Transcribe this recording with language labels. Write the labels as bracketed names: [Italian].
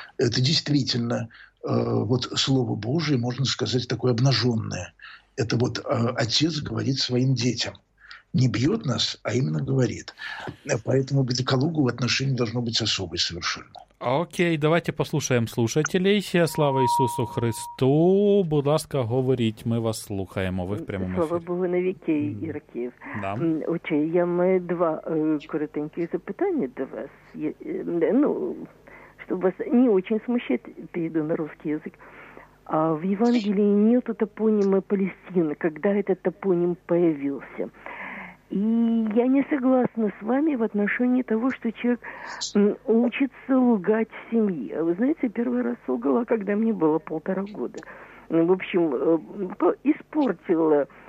[Russian] Это действительно вот Слово Божие, можно сказать, такое обнаженное. Это вот отец говорит своим детям. Не бьет нас, а именно говорит. Поэтому к Декологу в отношении должно быть особое совершенно. Окей, давайте [Ukrainian] послушаємо [Russian] слушателей. [Ukrainian] Слава Ісусу Христу. Будь ласка, говоріть, ми вас слухаємо. Ви в прямому ефірі. Слава Богу, навіки Ір Київ. [Russian] Да. [Ukrainian] Отже, я маю два коротенькі запитання до вас. Ну, щоб вас не дуже смущати, перейду на [Russian] русский язык. А в Евангелии нету топоніма Палестина, когда этот топоним появился? И я не согласна с вами в отношении того, что человек учится лгать в семье. Вы знаете, первый раз солгала, когда мне было полтора года. В общем, испортила